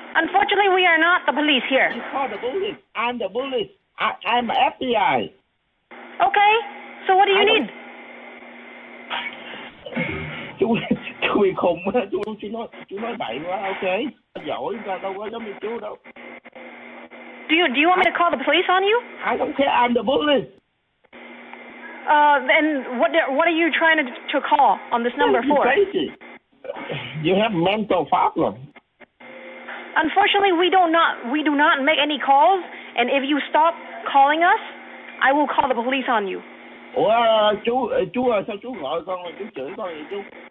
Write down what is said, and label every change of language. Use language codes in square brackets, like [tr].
[en] Unfortunately, we are not the police here. You call the police. I'm the police. I'm FBI. Okay. So what do you need? [vi] Chú khùng quá. Chú nói bậy quá. Okay. Giỏi ta đâu có giống như chú đâu. [en] Do you want me to call the police on you? I don't care. I'm the police. Then what are you trying to call on this number for? You're crazy. You have mental problem. Unfortunately, we do not make any calls, and if you stop calling us, I will call the police on you. [vi] Ủa, chú sao chú gọi con, chú chửi con vậy chú?